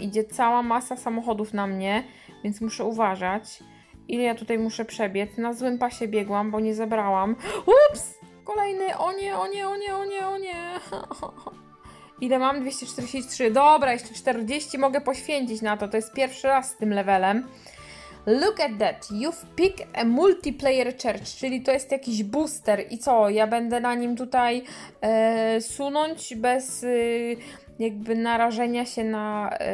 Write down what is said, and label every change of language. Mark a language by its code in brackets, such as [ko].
[pl] Idzie cała masa samochodów na mnie, więc muszę uważać. Ile ja tutaj muszę przebiec? Na złym pasie biegłam, bo nie zebrałam. Ups! kolejny, o nie, o nie, o nie, o nie, o nie. Ile mam? 243. Dobra, jeszcze 40 mogę poświęcić na to. To jest pierwszy raz z tym levelem. [en] Look at that. You've picked a multiplayer church. [pl] Czyli to jest jakiś booster. I co? Ja będę na nim tutaj sunąć bez jakby narażenia się na...